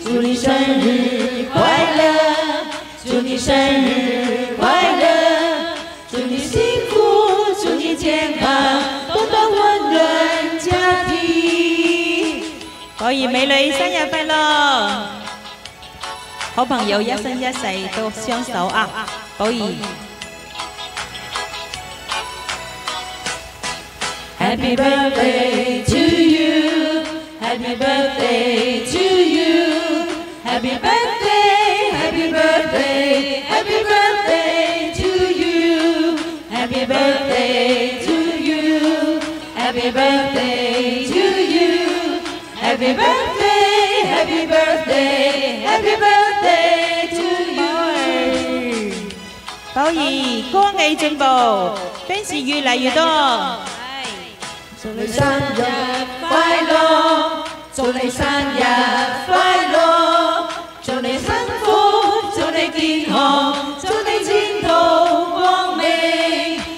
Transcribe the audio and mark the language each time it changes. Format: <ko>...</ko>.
<zh>祝你生日快乐，祝你生日快乐，祝你幸福，祝你健康，多多温暖家庭。宝儿美女，生日快乐！好朋友一生一世都相守啊，寶兒。</zh> <en>Happy birthday to you, happy birthday to you, happy birthday, happy birthday, happy birthday to you, happy birthday to you, happy birthday to you, happy birthday, happy birthday.</en> <zh>宝儿，歌艺进步 ，fans 越来越多。祝你生日快乐，祝你生日快乐，祝你幸福，祝你健康，祝你前途光明。</zh>